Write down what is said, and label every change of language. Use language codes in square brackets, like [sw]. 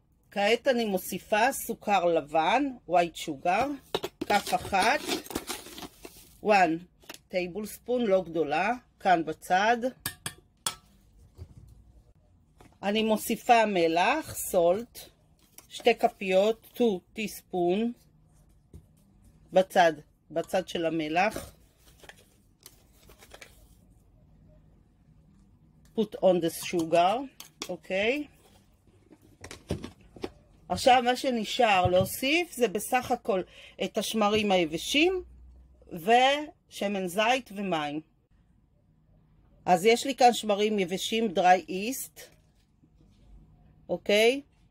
[he] כעת אני מוסיפה סוכר לבן, white sugar, כף אחת, 1 טייבלספון, לא גדולה, כאן בצד. אני מוסיפה מלח, סולט, 2 כפיות, 2 טיספון, בצד, בצד של המלח. [en] Put on the sugar, אוקיי. [he] עכשיו מה שנשאר להוסיף זה בסך הכל את השמרים היבשים, ושמן זית ומים. אז יש לי כאן שמרים יבשים, dry yeast, אוקיי?